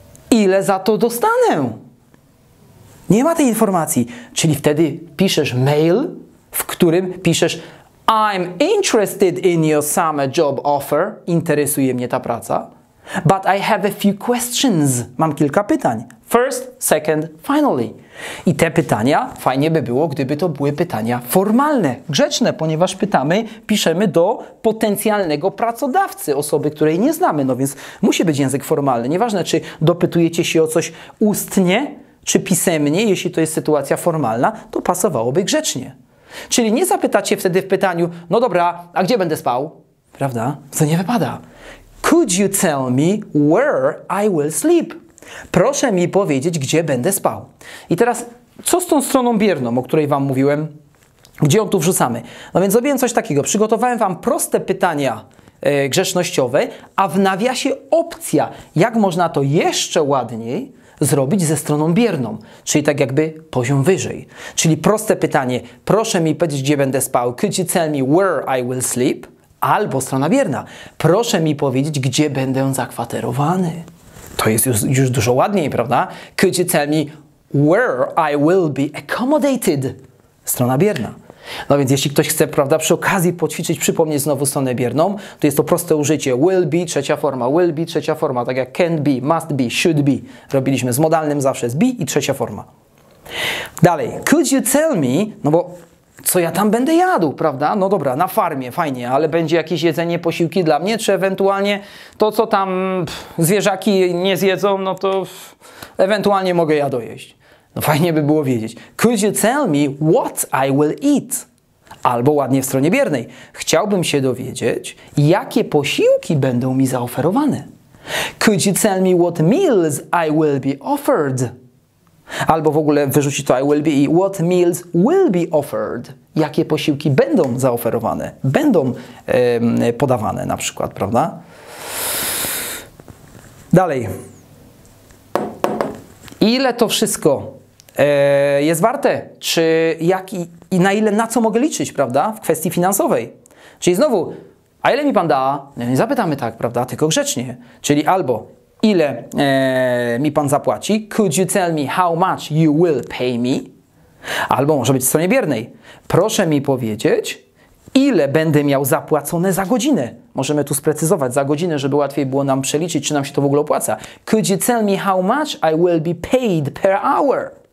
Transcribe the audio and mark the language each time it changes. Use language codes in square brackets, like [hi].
[pl] Ile za to dostanę? Nie ma tej informacji. Czyli wtedy piszesz mail, w którym piszesz [en] I'm interested in your summer job offer. [pl] Interesuje mnie ta praca. [en] But I have a few questions. [pl] Mam kilka pytań. [en] First, second, finally. [pl] I te pytania, fajnie by było, gdyby to były pytania formalne, grzeczne, ponieważ pytamy, piszemy do potencjalnego pracodawcy, osoby, której nie znamy, no więc musi być język formalny. Nieważne, czy dopytujecie się o coś ustnie, czy pisemnie, jeśli to jest sytuacja formalna, to pasowałoby grzecznie. Czyli nie zapytacie wtedy w pytaniu, no dobra, a gdzie będę spał? Prawda? Co nie wypada. [en] Could you tell me where I will sleep? [pl] Proszę mi powiedzieć, gdzie będę spał. I teraz, co z tą stroną bierną, o której Wam mówiłem? Gdzie ją tu wrzucamy? No więc zrobiłem coś takiego. Przygotowałem Wam proste pytania grzecznościowe, a w nawiasie opcja, jak można to jeszcze ładniej zrobić ze stroną bierną. Czyli tak jakby poziom wyżej. Czyli proste pytanie. Proszę mi powiedzieć, gdzie będę spał. [en] Could you tell me where I will sleep? [pl] Albo strona bierna. Proszę mi powiedzieć, gdzie będę zakwaterowany. To jest już dużo ładniej, prawda? [en] Could you tell me where I will be accommodated? [pl] Strona bierna. No więc jeśli ktoś chce, prawda, przy okazji poćwiczyć, przypomnieć znowu stronę bierną, to jest to proste użycie. Will be, trzecia forma. Will be, trzecia forma. Tak jak can be, must be, should be. Robiliśmy z modalnym zawsze z be i trzecia forma. Dalej. [en] Could you tell me, [pl] no bo co ja tam będę jadł, prawda? No dobra, na farmie, fajnie, ale będzie jakieś jedzenie, posiłki dla mnie, czy ewentualnie to, co tam zwierzaki nie zjedzą, no to ewentualnie mogę ja dojeść. No fajnie by było wiedzieć. [en] Could you tell me what I will eat? [pl] Albo ładnie w stronie biernej. Chciałbym się dowiedzieć, jakie posiłki będą mi zaoferowane. [en] Could you tell me what meals I will be offered? [pl] Albo w ogóle wyrzucić to I will be i [en] what meals will be offered. [pl] Jakie posiłki będą zaoferowane, będą podawane na przykład, prawda? Dalej. Ile to wszystko jest warte? Czy jak i na ile, na co mogę liczyć, prawda? W kwestii finansowej. Czyli znowu, a ile mi pan da? Nie zapytamy tak, prawda? Tylko grzecznie. Czyli albo... Ile mi pan zapłaci? [en] Could you tell me how much you will pay me? [pl] Albo może być w stronie biernej. Proszę mi powiedzieć, ile będę miał zapłacone za godzinę. Możemy tu sprecyzować za godzinę, żeby łatwiej było nam przeliczyć, czy nam się to w ogóle opłaca. [en] Could you tell me how much I will be paid per hour?